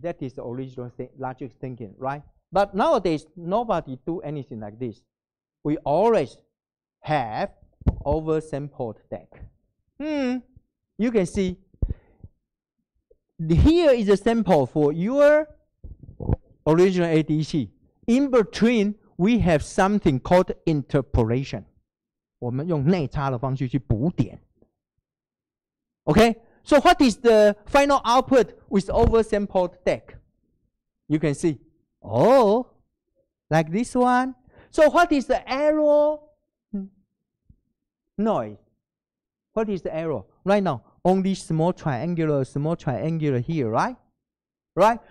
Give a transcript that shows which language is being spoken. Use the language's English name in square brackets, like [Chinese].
[English] That is the original logic thinking, right? But nowadays, nobody do anything like this. We always have oversampled DAC. You can see, here is a sample for your original ADC. In between, we have something called interpolation. [Chinese] 我们用内插的方式去补点. [English] Okay? So what is the final output with oversampled DAC? You can see. Oh, like this one. So what is the error noise? What is the error? Right now, only small triangular here, right? Right?